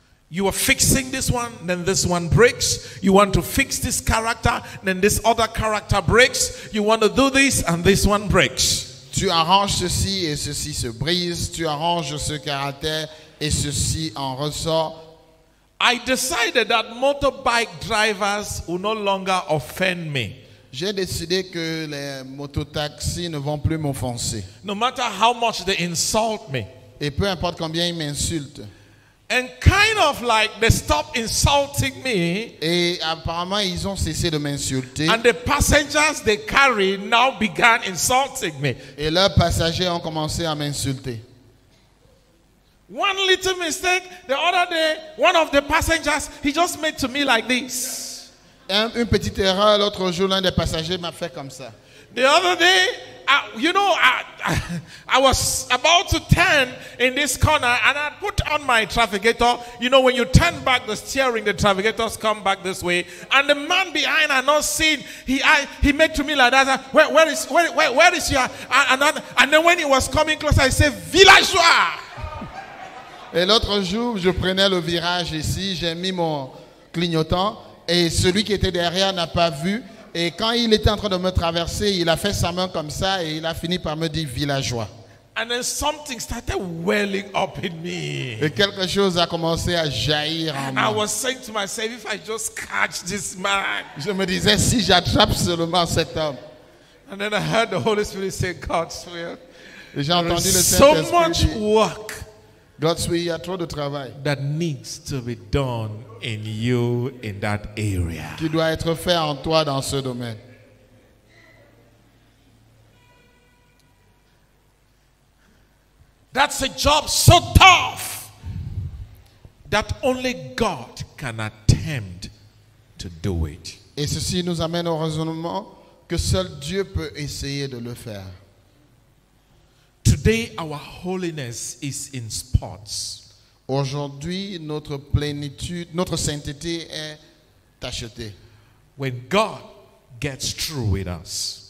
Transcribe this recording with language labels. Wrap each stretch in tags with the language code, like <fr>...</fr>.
<en>You are fixing this one, then this one breaks. You want to fix this character, then this other character breaks. You want to do this, and this one breaks.</en> <fr>Tu arranges ceci et ceci se brise. Tu arranges ce caractère et ceci en ressort.</fr> <en>I decided that motorbike drivers will no longer offend me.</en> <fr>J'ai décidé que les mototaxis ne vont plus m'offenser.</fr> <en>No matter how much they insult me.</en> <fr>Et peu importe combien ils m'insultent.</fr> <en>And kind of like they stop insulting me.</en> <fr>Et apparemment ils ont cessé de m'insulter.</fr> <en>And the passengers they carry now began insulting me.</en> <fr>Et leurs passagers ont commencé à m'insulter.</fr> <en>One little mistake, the other day, one of the passengers, he just made to me like this.</en> <fr>Une petite erreur, l'autre jour, l'un des passagers m'a fait comme ça.</fr> <en>The other day, I was about to turn in this corner and I put on my trafficator. You know, when you turn back the steering, the trafficators come back this way. And the man behind, I not seen, he made to me like that. Where is your, and then when he was coming close, I said, villageois.</en> <fr>Et l'autre jour, je prenais le virage ici, j'ai mis mon clignotant et celui qui était derrière n'a pas vu. Et quand il était en train de me traverser, il a fait sa main comme ça et il a fini par me dire villageois.</fr> <en>And then something started welling up in me.</en> <fr>Et quelque chose a commencé à jaillir en moi.</fr> <en>I was saying to myself, if I just catch this man.</en> <fr>Je me disais, si j'attrape seulement cet homme.</fr> <en>And then I heard the Holy Spirit say, God's will.</en> <fr>Et j'ai entendu le</fr> <en>Saint-Esprit. So much work. God's will,</en> <fr>il y a trop de travail.</fr> <en>That needs to be done in you in that area.</en> <fr>Qui doit être fait en toi dans ce domaine.</fr> <en>That's a job so tough that only God can attempt to do it.</en> <fr>Et ceci nous amène au raisonnement que seul Dieu peut essayer de le faire.</fr> <en>Today our holiness is in spots.</en> <fr>Aujourd'hui notre plénitude, notre sainteté est tachetée.</fr> <en>When God gets through with us,</en>